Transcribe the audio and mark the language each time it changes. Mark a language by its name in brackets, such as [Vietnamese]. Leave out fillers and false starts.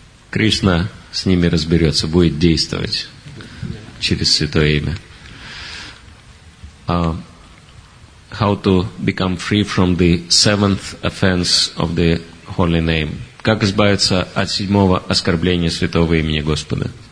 [Russian] Кришна с ними разберется, будет действовать через святое имя. [English] How to become free from the seventh offense of the holy name? [Russian] Как избавиться от седьмого оскорбления святого имени Господа?